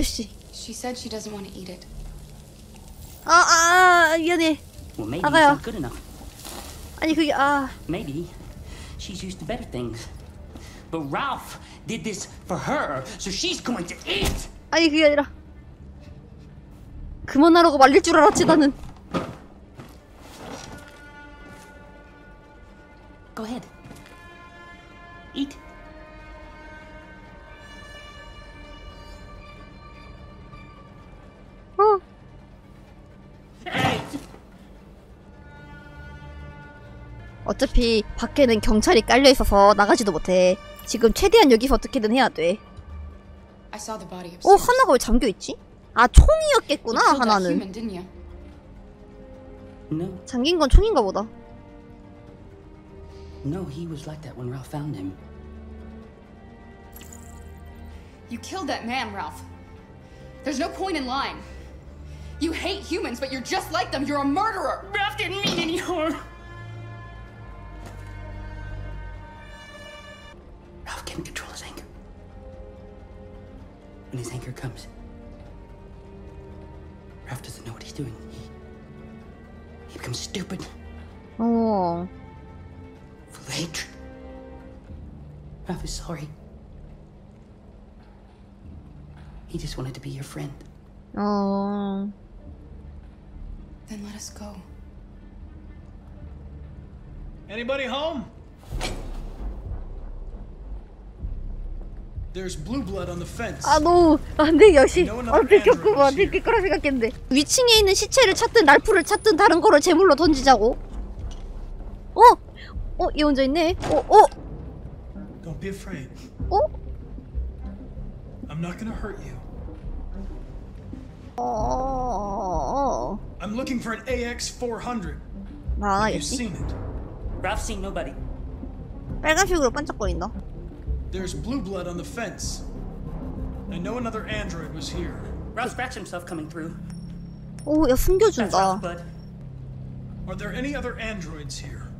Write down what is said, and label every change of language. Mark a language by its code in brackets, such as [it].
[en] she said she doesn't want to eat it. Ah, ah, yeah, well, maybe it's not good enough. [ko] 아니, 그게, ah. [en] Maybe she's used to better things. But Ralph did this for her, so she's going to eat. [ko] 아니, 그게 아니라. 그만하라고 말릴 줄 알았지, 나는. [en] Go ahead. Eat. [ko] 어차피 밖에는 경찰이 깔려 있어서 나가지도 못해. 지금 최대한 여기서 어떻게든 해야 돼. 어, 하나가 왜 잠겨 있지? 아, 총이었겠구나. 하나는 잠긴 건 총인가 보다. [en] No, he was like that when Ralph found him. You killed that man, Ralph. There's no point in lying. You hate humans, but you're just like them. You're a murderer. Ralph didn't mean any harm. Ralph can't control his anger. When his anger comes, Ralph doesn't know what he's doing. He becomes stupid. Oh. Full of hatred. Ralph is sorry. He just wanted to be your friend. Oh. Then let us go. Anybody home? There's blue blood on the fence. [ko] 아, 노. 안돼 역시. 안 들켰구만. 생각했는데. 위층에 있는 시체를 찾든 날풀을 찾든 다른 거를 제물로 던지자고. 어? 어, 얘 혼자 있네. 어, 어. [en] Don't be afraid. 어? I'm not gonna hurt you. 어. I'm looking for an AX 400. 아, Have [ko] 역시. [en] You seen it? Ralph seen nobody. [ko] 빨간색으로 반짝거린다. [en] There's blue blood on the fence. I know another android was here. Ralph scratched himself coming through. [ko] 오, 야 숨겨준다. [en] Are there any other androids here?